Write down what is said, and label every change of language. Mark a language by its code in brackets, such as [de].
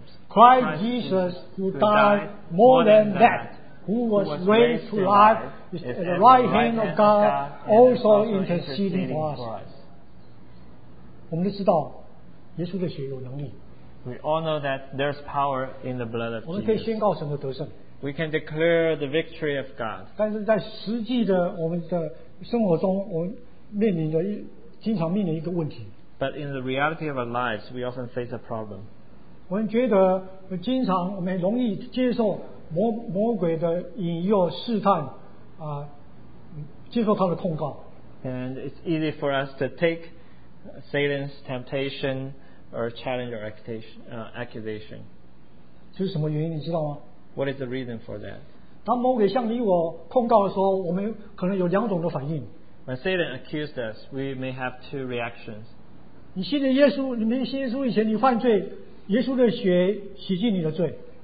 [en] Christ Jesus, who died more than that, who was raised to life, is at the right hand of God, also interceding for us. [zh] 我们都知道，耶稣的血有能力。 [en] We all know that there's power in the blood of Jesus. [zh] 我们可以宣告神的得胜。 [en] We can declare the victory of God. [zh] 但是在实际的我们的生活中，我们面临着经常面临一个问题。 [en] But in the reality of our lives, we often face a problem. [zh] 我们觉得经常我们容易接受魔鬼的引诱试探啊，接受他的控告。 [en] And it's easy for us to take Satan's temptation. Or challenge or accusation. [zh] 这是什么原因你知道吗？ [en] What is the reason for that? [zh] 当魔鬼向你我控告的时候，我们可能有两种的反应。 [en] When Satan accused us, we may have two reactions. [zh] 你信了耶稣，你没信耶稣以前你犯罪，耶稣的血洗净你的罪。